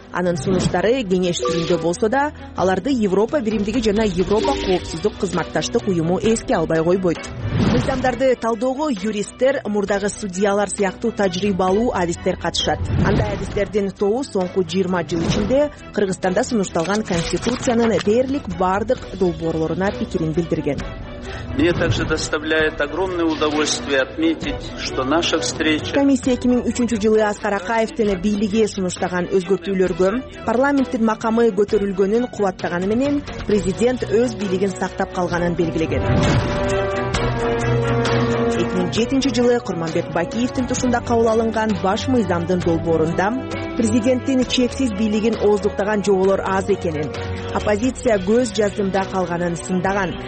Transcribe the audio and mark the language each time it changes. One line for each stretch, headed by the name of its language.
Kyrgyz: Анын сунуштары кеңеш түрүндө болсо да, аларды Европа биримдиги жана Европа коопсуздук кызматташтык уюму эске албай койбойт. Мыйзамдарды талдоого юристтер, мурдагы судьялар сыяктуу тажрыйбалуу адистер катышат. Андай адистердин тобу соңку 20 жыл ичинде Кыргызстанда сунушталган конституциянын дээрлик бардык долбоорлоруна пикирин билдирген.
Russian: Мне также доставляет огромное удовольствие отметить, что наша встреча.
Kyrgyz: Комиссия 2003-жылы Аскар Акаев тене бийлиги сунуштаган өзгөртүүлөргө парламенттин макамы көтөрүлгөнүн кубаттаганы менен президент өз бийлигин сактап калганын белгилеген. 2007-жылы Курманбек Бакиевтин тушунда кабыл алынган баш мыйзамдын долбоорунда президенттин чексиз бийлигин ооздуктаган жоолор аз экенин, оппозиция көз жазымда калганын сындаган.